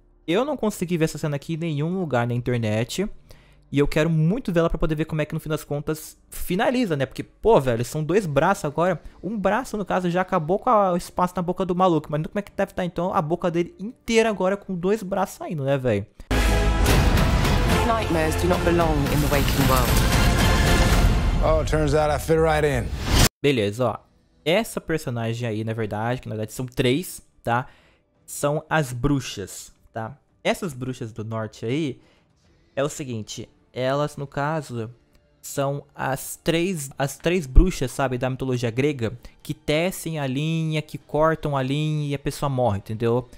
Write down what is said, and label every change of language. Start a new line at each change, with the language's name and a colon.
Portuguese: Eu não consegui ver essa cena aqui em nenhum lugar na internet. E eu quero muito vê-la pra poder ver como é que no fim das contas finaliza, né? Porque, pô, velho, são dois braços agora. Um braço, no caso, já acabou com o espaço na boca do maluco. Imagina como é que deve estar, então, a boca dele inteira agora com dois braços saindo, né, velho?
English: Nightmares do not belong in the waking world. Oh, turns out I fit right in.
Portuguese: Beleza, ó. Essa personagem aí, na verdade, que na verdade são três, tá? São as bruxas, tá? Essas bruxas do norte aí. É o seguinte, elas, no caso, são as três bruxas, sabe, da mitologia grega, que tecem a linha, que cortam a linha e a pessoa morre, entendeu?